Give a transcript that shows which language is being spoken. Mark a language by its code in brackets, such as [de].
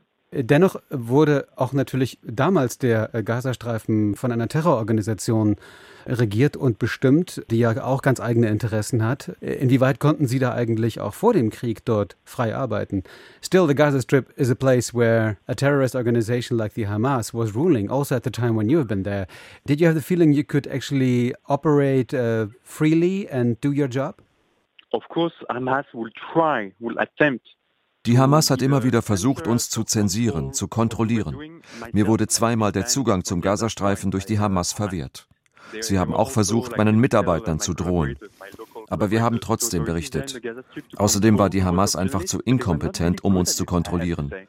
[de] Dennoch wurde auch natürlich damals der Gazastreifen von einer Terrororganisation regiert und bestimmt, die ja auch ganz eigene Interessen hat. Inwieweit konnten Sie da eigentlich auch vor dem Krieg dort frei arbeiten? [en] Still, the Gaza Strip is a place where a terrorist organization like the Hamas was ruling, also at the time when you have been there. Did you have the feeling you could actually operate freely and do your job? Of course, Hamas will attempt. [de] Die Hamas hat immer wieder versucht, uns zu zensieren, zu kontrollieren. Mir wurde 2-mal der Zugang zum Gazastreifen durch die Hamas verwehrt. Sie haben auch versucht, meinen Mitarbeitern zu drohen. Aber wir haben trotzdem berichtet. Außerdem war die Hamas einfach zu inkompetent, um uns zu kontrollieren.